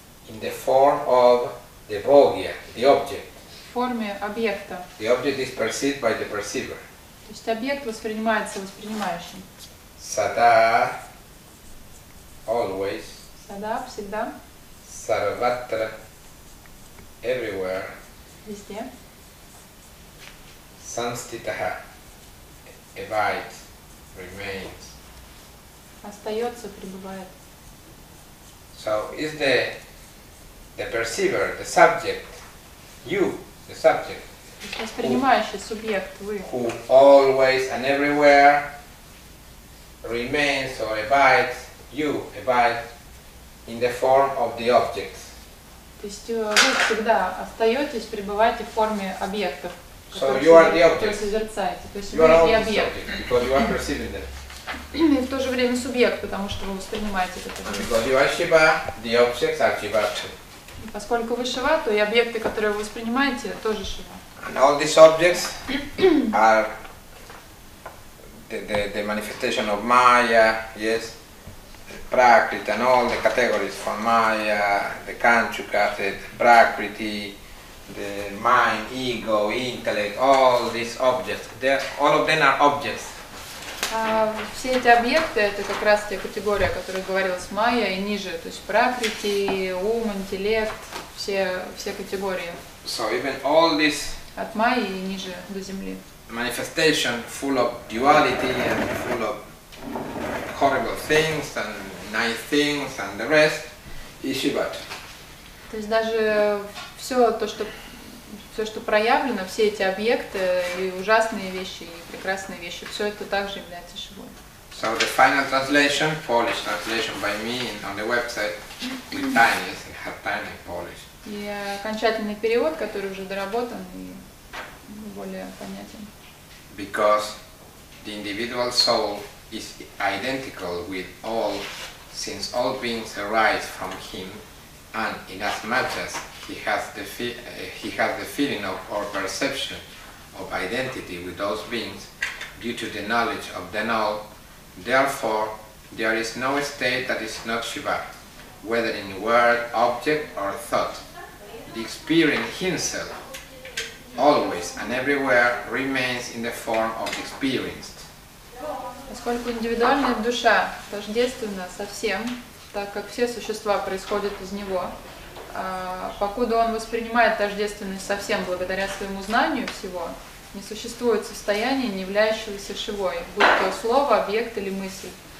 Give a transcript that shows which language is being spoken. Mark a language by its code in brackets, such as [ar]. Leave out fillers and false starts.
[en] In the form of the bhogya, the object. [ru] В форме объекта. [en] The object is perceived by the perceiver. [ru] То есть объект воспринимается воспринимающим. [en] Sada, always. [ru] Sada, всегда. [en] Sarvatra, everywhere. [ru] Везде. [en] Sanstitaha, abides, remains. [ru] Остается, пребывает. [en] So is the perceiver, the subject, you? The subject. [ru] Воспринимающий субъект, вы. [en] Who always and everywhere remains or abides, you abide in the form of the objects. [ru] То есть вы всегда остаетесь, пребываете в форме объектов, [en] so you are the object. [ru] Созерцаете. То есть [en] you [ru] вы [en] are [ru] и объект. [en] Subject, because you are perceiving them. [ru] И в то же время субъект, потому что вы воспринимаете это. [en] Because you are Shiva, the objects are Shiva too. [ru] И поскольку вы Шива, то и объекты, которые вы воспринимаете, тоже Шива. [en] And all these objects are the manifestation of Maya, yes. Prakriti and all the categories from Maya, the Kanchuka, the Prakriti, the mind, ego, intellect, all these objects. All of them are objects. [ru] Все эти объекты это как раз те категории, о которых говорилось Майя и ниже, то есть Пракрити, ум, интеллект, все категории. [en] So even all this [ru] от Майи и ниже до Земли. [en] Manifestation full of duality and full of horrible things and nice things and the rest is Shiva. [ru] То есть даже все, что проявлено, все эти объекты и ужасные вещи, и прекрасные вещи, все это также является Шивой. [en] So the final translation, Polish translation by me on the website with tiny, yes, it had tiny Polish. [ru] И окончательный перевод, который уже доработан и более понятен. [en] Because the individual soul is identical with all, since all beings arise from him, and in as much as he has the feeling of or perception of identity with those beings, due to the knowledge of them all, therefore there is no state that is not Shiva, whether in word, object or thought. The experience himself, always and everywhere, remains in the form of experience. [ru] Поскольку индивидуальная душа тождественна со всем, так как все существа происходят из него, покуда он воспринимает тождественность со всем благодаря своему знанию всего, не существует состояния, не являющегося Шивой, будь то слово, объект или мысль.